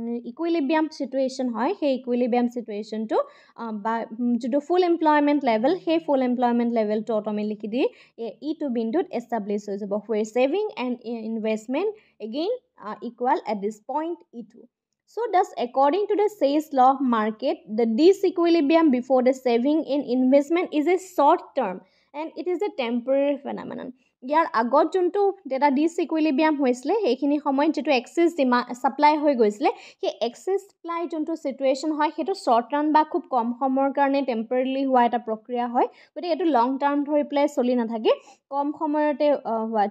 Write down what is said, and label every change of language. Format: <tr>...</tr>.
<as>Equilibrium situation হয় সেই equilibrium ছিটুৱেশ্যনটো বা যোনটো ফুল এমপ্লয়মেণ্ট লেভেল সেই ফুল এমপ্লয়মেণ্ট লেভেলটো অট'মেটিকলি দি ই টু বিন্দুত এষ্টাব্লিছ হৈ যাব,</as> <en>Where saving and investment again equal at this point E two. So thus according to the Say's law of market, the disequilibrium before the saving in investment is a short term and it is a temporary phenomenon.</en> <as>ইয়াৰ আগত যোনটো এটা ডিছইকুইলিবিয়াম হৈছিলে সেইখিনি সময়ত যিটো access demand supply হৈ গৈছিলে সেই এক্সেছ ছাপ্লাই যোনটো ছিটুৱেশ্যন হয় সেইটো শ্বৰ্ট টাৰ্ম বা খুব কম সময়ৰ কাৰণে টেম্পৰেলি হোৱা এটা প্ৰক্ৰিয়া হয়, গতিকে এইটো লং টাৰ্ম ধৰি পেলাই চলি নাথাকে, কম সময়তে হোৱা।</as>